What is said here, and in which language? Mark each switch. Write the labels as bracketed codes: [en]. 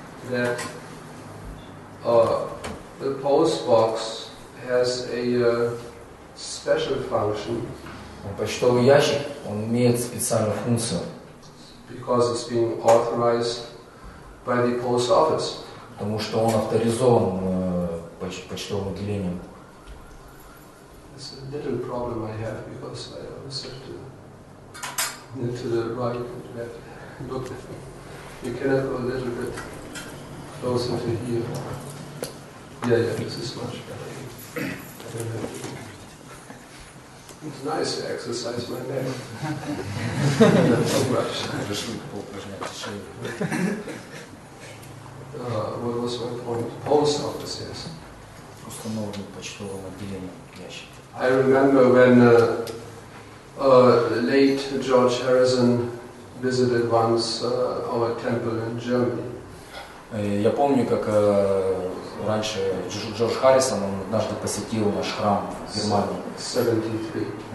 [en] That the post box has a special function. [ru] Почтовый ящик, он имеет специальную функцию. [en] Because it's being authorized by the post office. [ru] Потому что он авторизован почтовым отделением. [en] It's a little problem I have because I always have to into the right and left. Look, you cannot go a little bit closer to here. Yeah, this is much better. It's nice to exercise my neck. what was my point? Post office, yes. [ru] Установлено почтовое отделение ящик. [en] I remember when late George Harrison visited once our temple in Germany. [ru] Я помню, как раньше Джордж Харрисон однажды посетил наш храм в Германии.